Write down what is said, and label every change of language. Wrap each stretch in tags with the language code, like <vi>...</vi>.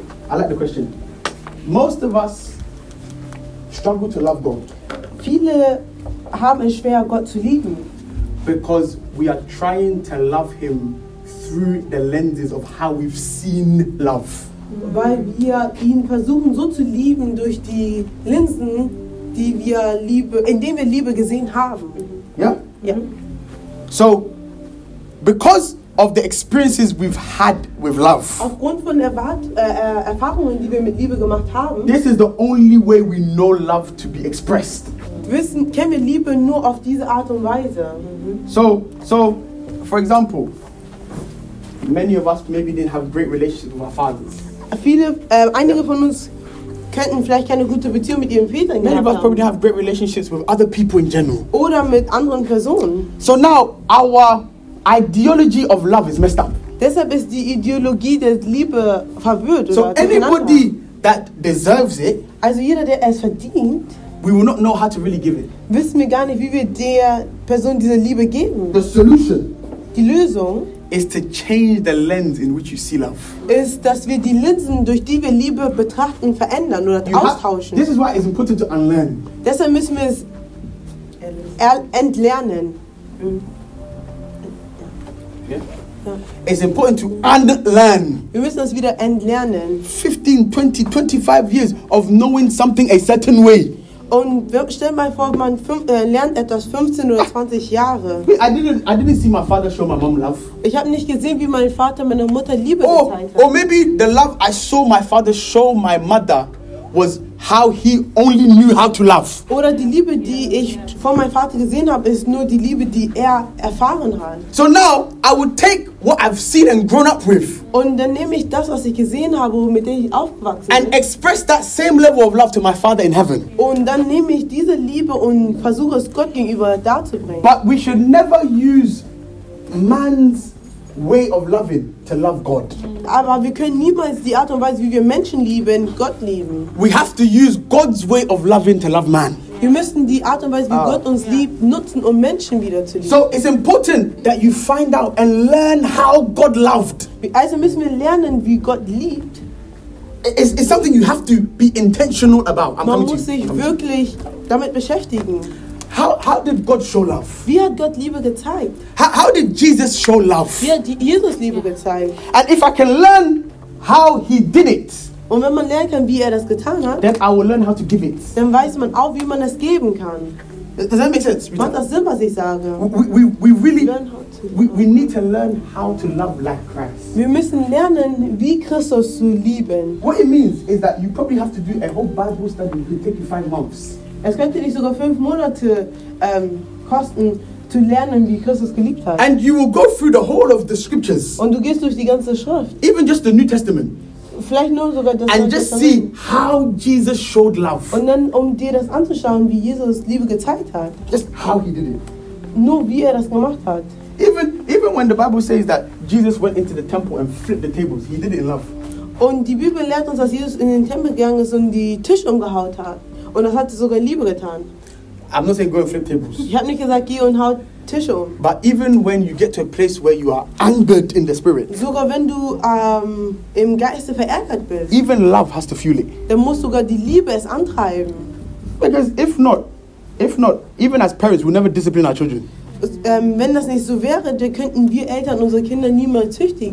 <en>I like the question. Most of us struggle to love God.</en> <de>Viele haben es schwer, Gott zu lieben.</de> <en>Because we are trying to love him through the lenses of how we've seen love.</en> <de>Weil wir ihn versuchen so zu lieben durch die Linsen, die wir Liebe, in denen wir Liebe gesehen haben. Ja? Ja.</de> <en>So, because of the experiences we've had with love,</en> <de>aufgrund von Erfahrungen, die wir mit Liebe gemacht haben,</de> <en>this is the only way we know love to be expressed.</en> <de>Wissen, kennen wir Liebe nur auf diese Art und Weise. Mm-hmm.</de> <en>So, for example, many of us maybe didn't have great relationships with our fathers.</en> <de>Einige von uns könnten vielleicht keine gute Beziehung mit ihren Vätern gehabt haben.</de> <en>Many of us probably have great relationships with other people in general.</en> <de>Oder mit anderen Personen.</de> <en>So now our ideology of love is messed up.</en> <de>Deshalb ist die Ideologie der Liebe verwirrt.</de> <en>So anybody that deserves it,</en> <de>also jeder, der es verdient,</de> <en>we will not know how to really give it.</en> <de>Wissen wir gar nicht, wie wir der Person diese Liebe geben.</de> <en>The solution.</en> <de>Die Lösung.</de> <en>Is to change the lens in which you see love.</en> <de>Ist, dass wir die Linsen, durch die wir Liebe betrachten, verändern oder austauschen.</de> <en>This is why it's important to unlearn.</en> <de>Deshalb müssen wir es entlernen.</de> <en>Yeah. It's important to unlearn.</en> <de>Wir müssen es wieder entlernen.</de> <en>15, 20, 25 years of knowing something a certain way.</en> <de>Und stell mal vor, man lernt etwas 15 oder 20 Jahre.</de> <en>I didn't see my father show my mom love.</en> <de>Ich habe nicht gesehen, wie mein Vater meiner Mutter Liebe gezeigt hat.</de> <en>Or maybe the love I saw my father show my mother was how he only knew how to love.</en> <de>Oder die Liebe, die ich von meinem Vater gesehen habe, ist nur die Liebe, die erfahren hat.</de> <en>So now I would take what I've seen and grown up with.</en> <de>Und dann nehme ich das, was ich gesehen habe, mit dem ich aufgewachsen bin.</de> <en>And express that same level of love to my father in heaven.</en> <de>Und dann nehme ich diese Liebe und versuche es Gott gegenüber darzubringen.</de> <en>But we should never use man's way of loving to love God.</en> <de>Aber wir können niemals die Art und Weise, wie wir Menschen lieben, Gott lieben.</de> <en>We have to use God's way of loving to love man.</en> <de>Wir müssen die Art und Weise, wie Gott uns liebt, nutzen, Menschen wieder zu lieben.</de> <en>So it's important that you find out and learn how God loved.</en> <de>Also müssen wir lernen, wie Gott liebt.</de> <en>it's something you have to be intentional about.</en> <de>I'm Man muss sich wirklich damit beschäftigen.</de> <en>How did God show love?</en> <de>Wie hat Gott Liebe gezeigt?</de> <en>How did Jesus show love?</en> <de>Wie hat Jesus Liebe gezeigt?</de> <en>And if I can learn how he did it,</en> <de>und wenn man lernen kann, wie das getan hat,</de> <en>then I will learn how to give it.</en> <de>Dann weiß man auch, wie man es geben kann.</de> <en>Does that make sense?</en> <de>Macht das Sinn, was ich sage?</de> <en>We need to learn how to love like Christ.</en> <de>Wir müssen lernen, wie Christus zu lieben.</de> <en>What it means is that you probably have to do a whole Bible study. It will take you 5 months.</en> <de>Es könnte dich sogar 5 Monate kosten, zu lernen, wie Christus geliebt hat.</de> <en>And you will go through the whole of the scriptures.</en> <de>Und du gehst durch die ganze Schrift.</de> <en>Even just the New Testament.</en> <de>Vielleicht nur sogar das</de> <en>and just see how Jesus showed love.</en> <de>Und dann, um dir das anzuschauen, wie Jesus Liebe gezeigt hat.</de> <en>Just how he did it.</en> <de>Nur wie das gemacht hat.</de> <en>Even when the Bible says that Jesus went into the temple and flipped the tables, he did it in love.</en> <de>Und die Bibel lehrt uns, dass Jesus in den Tempel gegangen ist und die Tische umgehaut hat. Und das hat sogar Liebe getan.</de> <en>I'm not saying go and flip tables.</en> <de>Ich habe nicht gesagt, geh und hau Tische um.</de> <en>But even when you get to a place where you are angered in the spirit.</en> <de>Sogar wenn du im Geiste verärgert bist.</de> <en>Even love has to fuel it.</en> <de>Dann muss sogar die Liebe es antreiben.</de> <en>Because if not, even as parents, we never discipline our children.</en> <de>Wenn das nicht so wäre, dann könnten wir Eltern unsere Kinder niemals züchtigen.</de>